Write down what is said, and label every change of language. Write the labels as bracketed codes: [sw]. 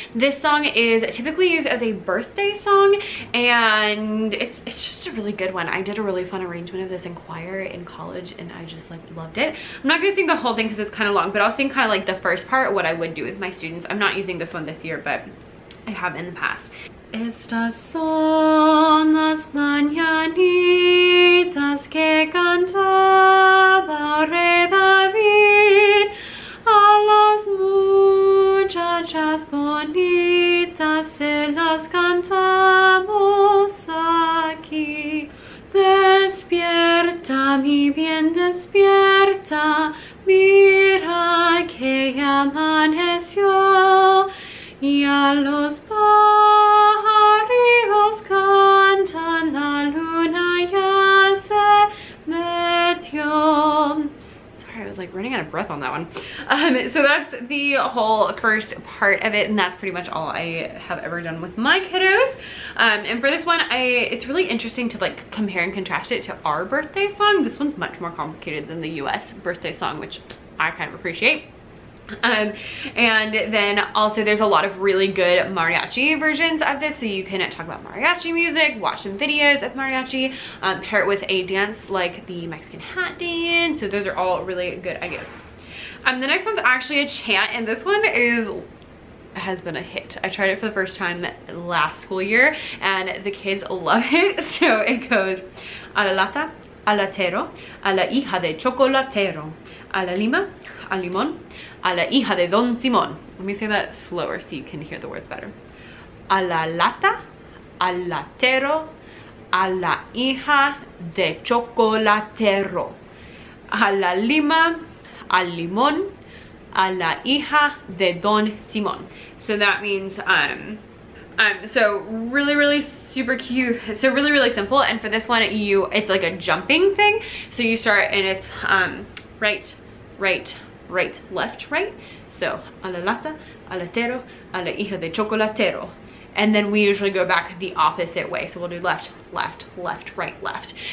[en] This song is typically used as a birthday song, and it's just a really good one. I did a really fun arrangement of this in choir in college, and I just like loved it. I'm not gonna sing the whole thing because it's kind of long, but I'll sing kind of like the first part, what I would do with my students. I'm not using this one this year, but I have in the past. [es] Estas son las mañanitas que cantaba rey David a las muchachas bonitas, se las cantamos aquí. Despierta, mi bien, despierta, mira que amaneció y a los pajarillos cantan, la luna ya se metió. [en] Sorry, I was like running out of breath on that one. So that's the whole first part of it, and that's pretty much all I have ever done with my kiddos. And for this one, it's really interesting to like compare and contrast it to our birthday song. This one's much more complicated than the US birthday song, which I kind of appreciate. And then also there's a lot of really good mariachi versions of this, so you can talk about mariachi music, watch some videos of mariachi, pair it with a dance like the Mexican hat dance. So those are all really good ideas. The next one's actually a chant, and this one has been a hit. I tried it for the first time last school year and the kids love it. So it goes, [es] a la lata, a la tero, a la hija de chocolatero, a la lima, a limón, a la hija de Don Simón. [en] Let me say that slower so you can hear the words better. [es] A la lata, a la tero, a la hija de chocolatero, a la lima, a limón, a la hija de Don Simón. [en] So that means, so really, really super cute. So really, really simple. And for this one, it's like a jumping thing. So you start and it's right, right, right, left, right. So [es] a la lata, a la tero, a la hija de chocolatero, [en] and then we usually go back the opposite way, so we'll do left, left, left, right, left.